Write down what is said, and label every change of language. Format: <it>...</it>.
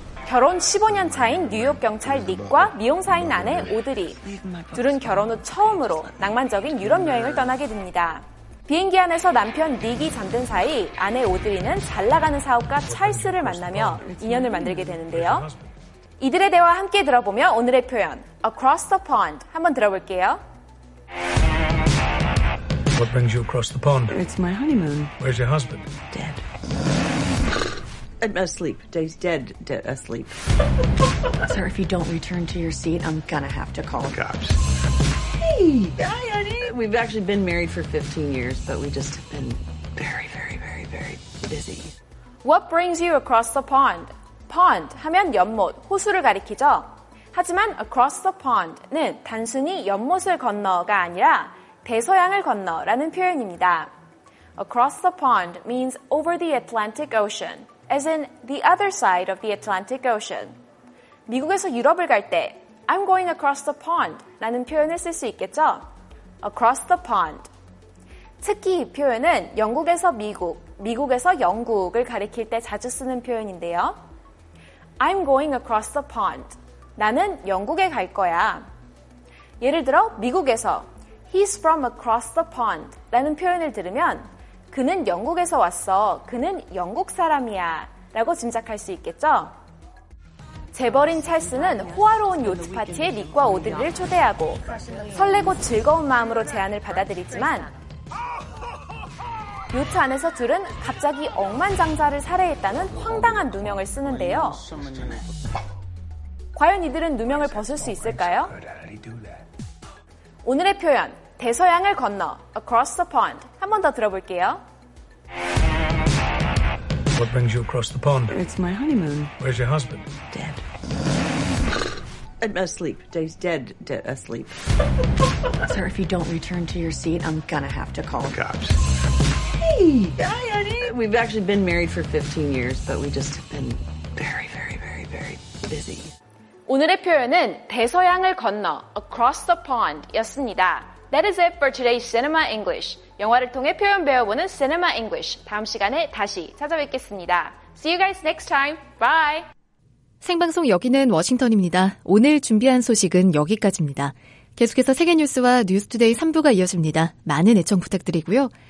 <ko>결혼 15년 차인 뉴욕 경찰 닉과 미용사인 아내 오드리. 둘은 결혼 후 처음으로 낭만적인 유럽 여행을 떠나게 됩니다. 비행기 안에서 남편 닉이 잠든 사이 아내 오드리는 잘 나가는 사업가 찰스를 만나며 인연을 만들게 되는데요. 이들의 대화 함께 들어보며 오늘의 표현 across the pond 한번 들어볼게요.</ko> <en>What brings you across the pond? It's my honeymoon. Where's your husband? Dead. I'm asleep. Dave's dead asleep. Sir, if you don't return to your seat, I'm gonna have to call the cops. Hey! Hi, honey! We've actually been married for 15 years, but we just have been very, very, very, very busy. What brings you across the pond?</en> <ko>Pond 하면 연못, 호수를 가리키죠. 하지만 across the pond는 단순히 연못을 건너가 아니라 대서양을 건너라는 표현입니다.</ko> <en>Across the pond means over the Atlantic Ocean, as in the other side of the Atlantic Ocean.</en> <ko>미국에서 유럽을 갈 때</ko> <en>I'm going across the pond</en> <ko>라는 표현을 쓸 수 있겠죠?</ko> <en>Across the pond.</en> <ko>특히 이 표현은 영국에서 미국, 미국에서 영국을 가리킬 때 자주 쓰는 표현인데요.</ko> <en>I'm going across the pond.</en> <ko>나는 영국에 갈 거야. 예를 들어 미국에서</ko> <en>He's from across the pond</en> <ko>라는 표현을 들으면 그는 영국에서 왔어. 그는 영국 사람이야 라고 짐작할 수 있겠죠? 재벌인 찰스는 호화로운 요트 파티에 닉과 오드리를 초대하고 설레고 즐거운 마음으로 제안을 받아들이지만 요트 안에서 둘은 갑자기 억만장자를 살해했다는 황당한 누명을 쓰는데요. 과연 이들은 누명을 벗을 수 있을까요? 오늘의 표현, 대서양을 건너, across the pond. 한 번 더 들어볼게요.</ko> <en>What brings you across the pond? It's my honeymoon. Where's your husband? Dead. I'm asleep. Dave's dead asleep. Sir, if you don't return to your seat, I'm gonna have to call the cops. Hey! Hi, honey! We've actually been married for 15 years, but we just have been very, very, very, very busy.</en> <ko>오늘의 표현은 대서양을 건너, across the pond 였습니다.</ko> <en>That is it for today's Cinema English.</en> <ko>영화를 통해 표현 배워보는 Cinema English. 다음 시간에 다시 찾아뵙겠습니다.</ko> <en>See you guys next time. Bye!</en> <ko>생방송 여기는 워싱턴입니다. 오늘 준비한 소식은 여기까지입니다. 계속해서 세계 뉴스와 뉴스투데이 3부가 이어집니다. 많은 애청 부탁드리고요.</ko>